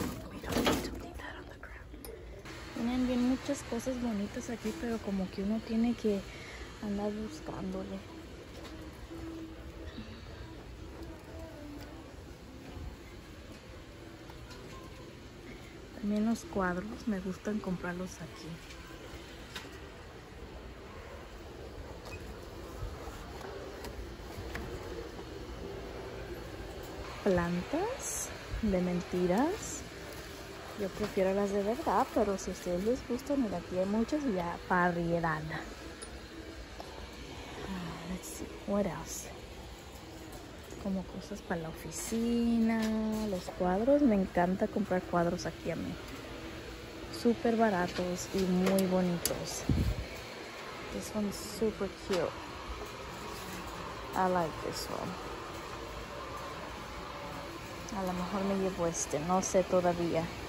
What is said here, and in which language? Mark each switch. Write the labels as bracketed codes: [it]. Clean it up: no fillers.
[en] We don't need to leave that on the ground. [es] Miren, vienen muchas cosas bonitas aquí, pero como que uno tiene que andar buscándole. También los cuadros, me gustan comprarlos aquí. Plantas de mentiras. Yo prefiero las de verdad, pero si a ustedes les gustan, mira, aquí hay muchas ya variedad. [en] Let's see, what else? [es] Como cosas para la oficina, los cuadros. Me encanta comprar cuadros aquí a mí. Súper baratos y muy bonitos. [en] This one's super cute. I like this one. [es] A lo mejor me llevo este, no sé todavía.